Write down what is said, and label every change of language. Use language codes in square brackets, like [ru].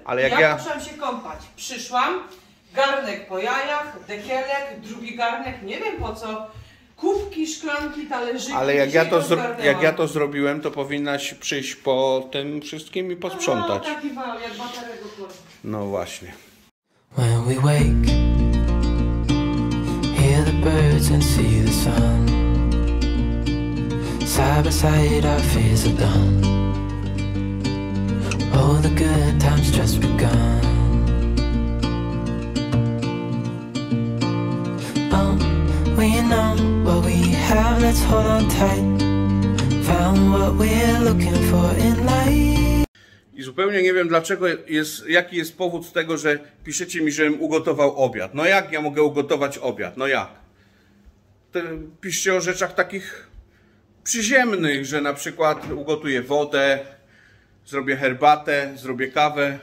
[pl] Ale jak ja musiałam się kąpać. Przyszłam, garnek po jajach, dekielek, drugi garnek, nie wiem po co, kubki, szklanki, talerzyki. Ale jak ja, to zrobiłem, to powinnaś przyjść po tym wszystkim i posprzątać. No, taki mam, jak baterego kurwa. No właśnie. [en] When we wake, hear the birds and see the sun. Side by side our fears are done. Oh, the good times just begun. Oh, we know what we have, let's hold on tight. Found what we're looking for in life. [pl] I zupełnie nie wiem, dlaczego jaki jest powód tego, że piszecie mi, żebym ugotował obiad. No jak ja mogę ugotować obiad? No jak? Piszcie o rzeczach takich przyziemnych, że na przykład ugotuję wodę, zrobię herbatę, zrobię kawę.